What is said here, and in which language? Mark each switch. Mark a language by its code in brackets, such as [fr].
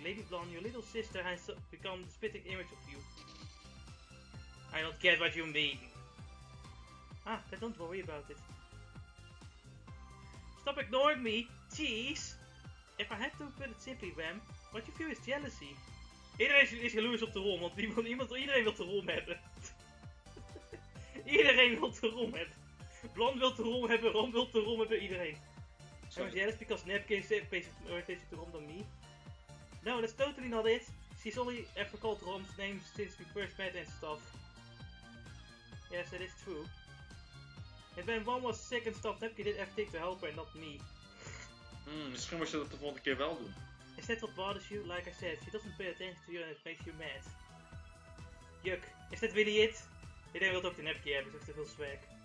[en] Lady Blon, your little sister has become the spitting image of you. I don't get what you mean. But don't worry about it. Stop ignoring me, jeez! If I had to put it simply, Wem, what you feel is jealousy. [nl] Iedereen is jaloers op de rom, want iedereen wil de rom hebben. Iedereen wil de rom hebben. Blon wil de rom hebben, Rom wil de rom hebben, iedereen. [en] Sorry. I'm jealous because Napkin is more attention to Rom than me. No, that's totally not it. She's only ever called Rom's name since we first met and stuff. Yes, that is true. And when Rom was sick and stuff, Napkin did everything to help her and not me. [nl] Misschien moet je dat de volgende keer wel doen. [en] Is that what bothers you? Like I said, she doesn't pay attention to you and it makes you mad. Yuck, is that really it? [nl] Iedereen wil ook de Napkin hebben, ze heeft te veel swag.